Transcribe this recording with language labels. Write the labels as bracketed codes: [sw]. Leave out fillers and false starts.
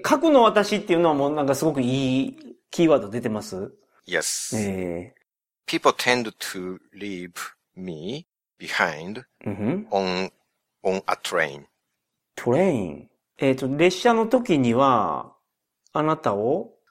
[ja] 核の私っていうのはもうなんかすごくいいキーワード出てます [en] ?Yes.、People tend to leave me behind on a train. [ja] トレイン列車の時にはあなたを